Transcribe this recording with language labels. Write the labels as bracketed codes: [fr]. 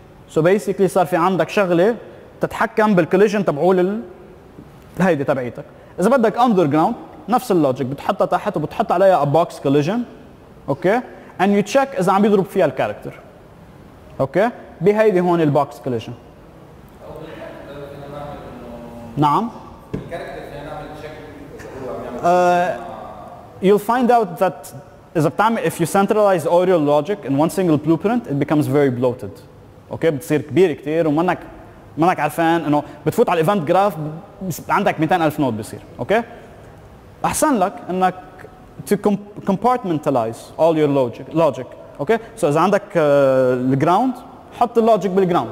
[en] so basically [ar] صار في عندك شغله تتحكم بالكوليجن تبعول هيدي تبعيتك. اذا بدك اندر جراوند نفس اللوجيك بتحطها تحت وبتحط عليها ا بوكس كوليجن. [en] okay and you check [ar] اذا عم يضرب فيها الكاركتر. اوكي بهيدي هون البوكس كوليجن. [en] نعم you'll find out that is a time if you centralize all your logic in one single blueprint it becomes very bloated. [ar] اوكي بتصير كبير كثير ومنك منك عارفان انه بتفوت على الايفنت جراف عندك 200,000 نود بيصير. [en] okay [ar] احسن لك انك [en] to compartmentalize all your logic. [ar] اوكي سو اذا عندك الجراوند حط اللوجيك بالجراوند.